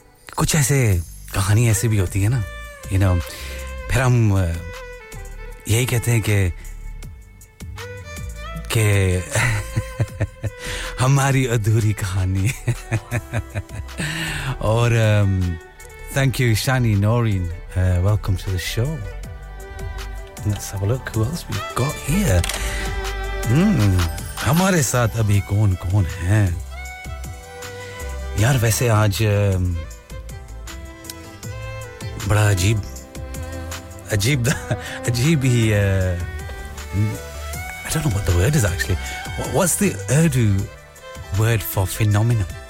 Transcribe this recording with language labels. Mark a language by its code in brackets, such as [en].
[hi] Kuch aise kahani aise bhi hoti hai na. [en] You know, [hi] फिर हम यही कहते हैं कि हमारी अधूरी कहानी और [en] thank you Shani Noreen, welcome to the show. Let's have a look who else we've got here. [hi] हमारे साथ अभी कौन कौन हैं यार. वैसे आज बड़ा अजीब ही [en] I don't know what the word is actually. What's the Urdu word for phenomenon?